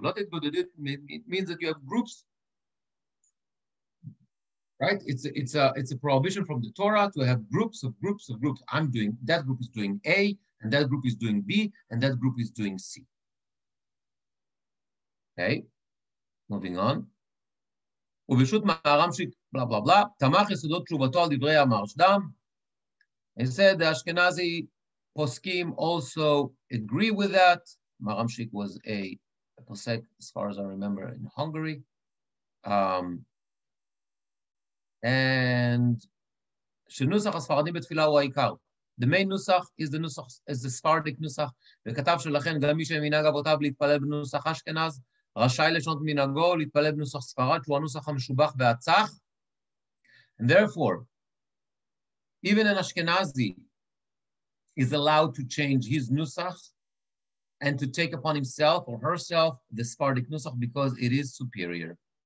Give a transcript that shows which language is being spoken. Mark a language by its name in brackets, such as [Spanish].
[English] Lotit Godedu means that you have groups, right? It's a prohibition from the Torah to have groups. I'm doing, that group is doing A, and that group is doing B, and that group is doing C. Okay, moving on. [Hebrew] ובשוט מערם שיק, בלה בלה בלה, תמך יסודות תשובתו על דברי המרשדם. [English] He said, the Ashkenazi poskim also agree with that. Maram Shik was a posek, as far as I remember, in Hungary. And [Hebrew] שנוסח הספרדים בתפילה הוא העיקר. [English] The main nusach is the Sephardic nusach. [Hebrew] וכתב שלכן, גם מי שמנהג אבותיו להתפלל בנוסח אשכנז, רשאי לשנות מנהגו, להתפלל בנוסח ספרד, שהוא הנוסח המשובח והצח. [English] And therefore, even an Ashkenazi is allowed to change his nusach and to take upon himself or herself the Sephardic nusach because it is superior.